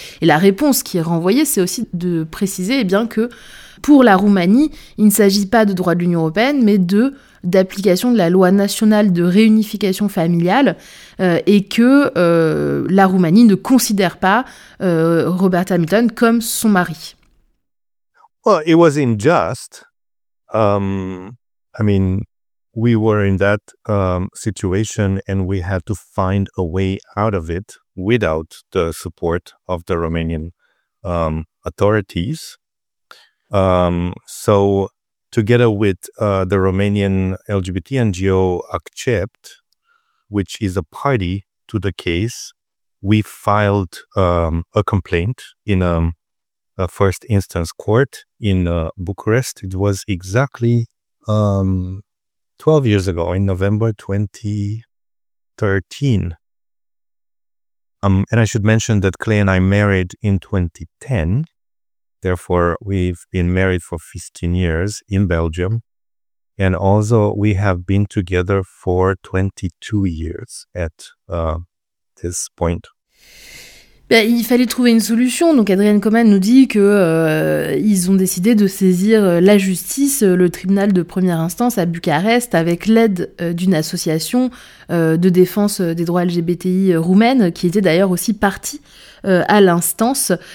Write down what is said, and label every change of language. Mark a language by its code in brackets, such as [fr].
[fr] Et la réponse qui est renvoyée, c'est aussi de préciser eh bien, que pour la Roumanie, il ne s'agit pas de droit de l'Union européenne, mais d'application de la loi nationale de réunification familiale et que la Roumanie ne considère pas Robert Hamilton comme son mari. [en] Well, it was unjust. I mean, we were in that situation and we had to find a way out of it without the support of the Romanian authorities. So together with the Romanian LGBT NGO Accept, which is a party to the case, we filed a complaint in a first instance court in Bucharest. It was exactly 12 years ago, in November 2013. And I should mention that Clay and I married in 2010. Therefore, we've been married for 15 years in Belgium. And also, we have been together for 22 years at this point. [fr] Ben, il fallait trouver une solution. Donc, Adrienne Coman nous dit qu'ils ont décidé de saisir la justice, le tribunal de première instance à Bucarest, avec l'aide d'une association de défense des droits LGBTI roumaine, qui était d'ailleurs aussi partie à l'instance.